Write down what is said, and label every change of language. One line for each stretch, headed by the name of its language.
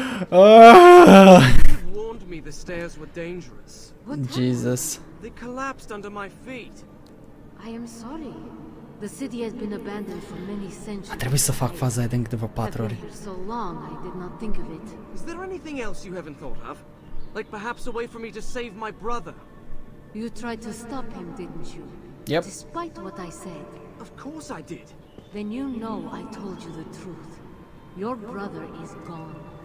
English: Warned me the stairs were dangerous. Jesus. They collapsed under my feet. I am sorry. The city has been abandoned for many centuries.
Romanian: A trebuit să fac faza aia de câteva 4 ore.
English: So long, I did not think of it. Is there anything else you haven't thought of? Like perhaps a way for me to save my brother? You tried to stop him, didn't you? Yep. Despite what I said. Of course I did. Then you know I told you the truth. Your brother is gone.